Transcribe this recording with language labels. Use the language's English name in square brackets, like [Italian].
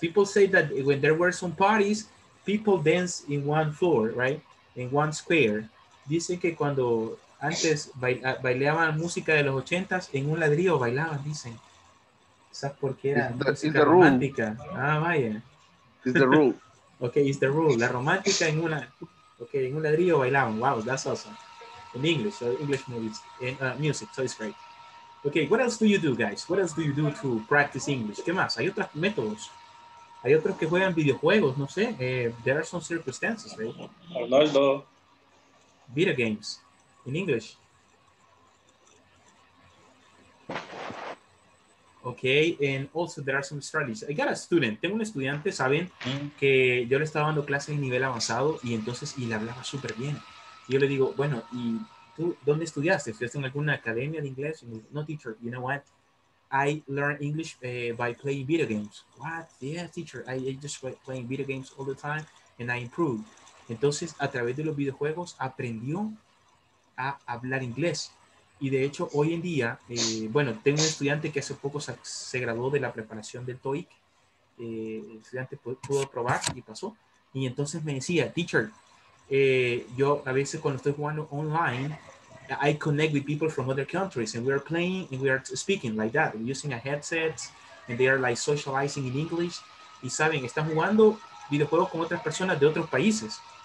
[English] People say that when there were some parties, people dance in one floor, right? In one square. [Spanish] Dicen que cuando antes bailaban música de los 80s, en un ladrillo bailaban, dicen. ¿Sabes por qué era? Música romántica. Ah, vaya. [English] It's the rule. Okay, it's the rule. [Spanish] La romántica en una, okay, en un ladrillo bailaban. [English] Wow, that's awesome. In English, so English movies, in music, so it's great. Okay, what else do you do, guys? What else do you do to practice English? [Spanish] ¿Qué más? Hay otros métodos. Hay otros que juegan videojuegos, no sé. [English] There are some circumstances, right? Arnoldo. Video games, in English. Okay, and also there are some strategies. I got a student. [Spanish] Tengo un estudiante, saben, que yo le estaba dando clases en nivel avanzado y entonces, y le hablaba súper bien. Y yo le digo, bueno, ¿y tú dónde estudiaste? ¿Estudiaste en alguna academia de inglés? No, [English] teacher, you know what? I learn English by playing video games. What? Yeah, teacher, I just playing video games all the time and I improved. [Spanish] Entonces, a través de los videojuegos, aprendió a hablar inglés. Y de hecho, hoy en día, bueno, tengo un estudiante que hace poco se graduó de la preparación del TOEIC. El estudiante pudo aprobar y pasó. Y entonces me decía, teacher, yo a veces cuando estoy jugando online, [English] I connect with people from other countries and we are playing and we are speaking like that, using a headset and they are like socializing in English. [Spanish] Y saben, están jugando videojuegos con otras personas de otros países.